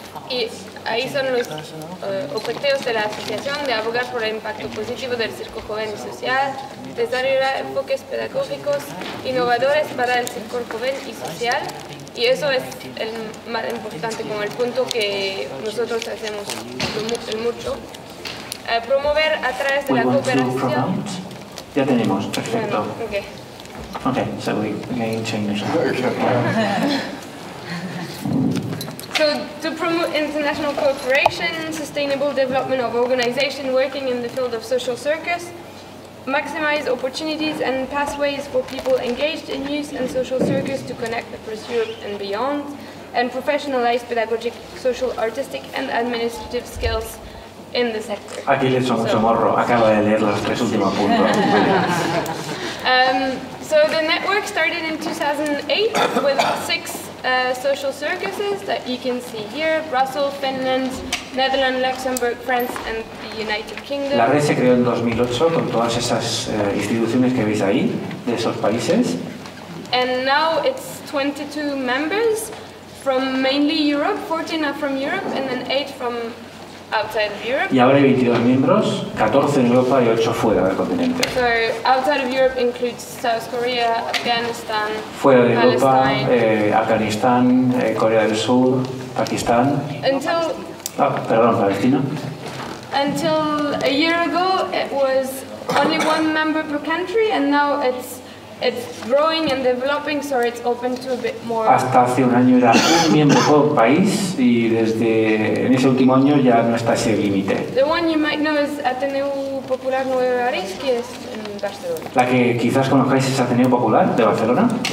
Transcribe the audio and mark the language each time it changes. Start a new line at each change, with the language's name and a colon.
Spanish: Y ahí son los objetivos de la asociación, de abogar por el impacto positivo del circo joven y social, desarrollar enfoques pedagógicos innovadores para el circo joven y social. Y eso es el más importante, como el punto que nosotros hacemos mucho. Promover a través de la cooperación Ya tenemos, perfecto. Ok.
English: Ok, so we need to English. So, to promote international cooperation and sustainable development of organizations working in the field of social circus, maximize opportunities and pathways for people engaged in youth and social circus to connect across Europe and beyond, and professionalize pedagogic, social, artistic, and administrative skills in the sector.
Spanish: Aquí le echo mucho morro. Acaba de leer los tres últimos puntos.
English: So the network started in 2008 with six social circuses that you can see here: Brussels, Finland, Netherlands, Luxembourg, France, and the United Kingdom.
Spanish: La red se creó en 2008 con todas esas instituciones que veis ahí de esos países.
English: And now it's 22 members. From mainly Europe, 14 are from Europe, and then 8 from outside of Europe.
Spanish: Y ahora hay 22 miembros, 14 en Europa y 8 fuera del continente.
English: So outside of Europe includes South Korea, Afghanistan,
Spanish: fuera de Europa, Afganistán, Corea del Sur, Pakistán.
English: Until,
Spanish: Palestina.
English: Until a year ago, it was only one member per country, and now it's growing and developing, so it's open to a bit more.
Spanish: Hasta hace un año era un miembro por país y desde en ese último año ya no está ese límite.
English: The one you might know is Ateneu Popular Nueva Aris,
Spanish: que es en Barcelona. La que quizás conozcáis es Ateneu Popular de Barcelona.